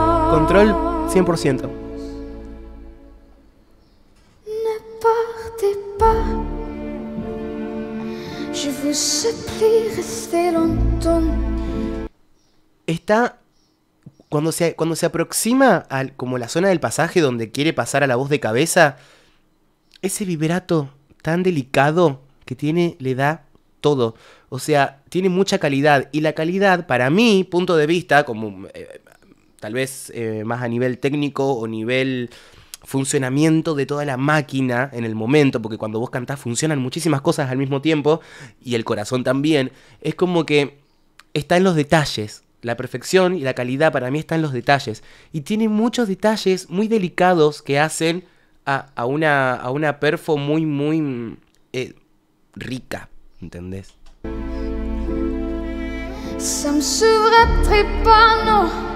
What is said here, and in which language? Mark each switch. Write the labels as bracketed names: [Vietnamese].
[English] Control 100%. [French] Ne partez pas. Je vous supplie, restez longtemps. [Spanish] Está cuando se aproxima al como la zona del pasaje donde quiere pasar a la voz de cabeza, ese vibrato tan delicado que tiene le da todo. O sea, tiene mucha calidad y la calidad para mí, punto de vista, como tal vez más a nivel técnico o nivel funcionamiento de toda la máquina en el momento, porque cuando vos cantás funcionan muchísimas cosas al mismo tiempo, y el corazón también, es como que está en los detalles. La perfección y la calidad para mí está en los detalles. Y tiene muchos detalles muy delicados que hacen a una perfo muy, muy rica, ¿entendés? [French] Ça me souvrait très pas, no.